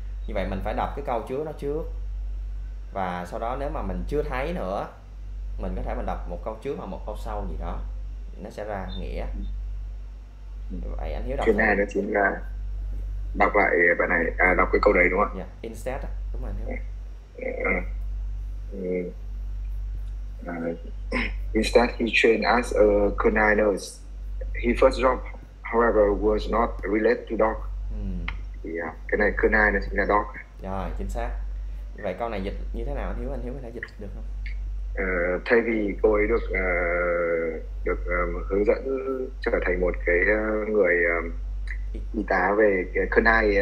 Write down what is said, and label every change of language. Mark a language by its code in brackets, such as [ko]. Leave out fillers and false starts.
[vi] Như vậy mình phải đọc cái câu chứa nó trước, và sau đó nếu mà mình chưa thấy nữa mình có thể mình đọc một câu trước hoặc một câu sau gì đó, nó sẽ ra nghĩa. Vậy anh Hiếu đọc Thứ hai thử. đó chính là đọc lại bài này, à, đọc cái câu đấy đúng [en] Yeah, instead, [vi] đúng rồi anh Hiếu. [en] Instead, he trained as a canine. He first job, however, was not related to dog. [vi] Cái này canine nó chính là dog. Rồi, chính xác. Vậy câu này dịch như thế nào anh Hiếu? Anh Hiếu có thể dịch được không? Thay vì cô ấy được được hướng dẫn trở thành một cái người y tá về cái canine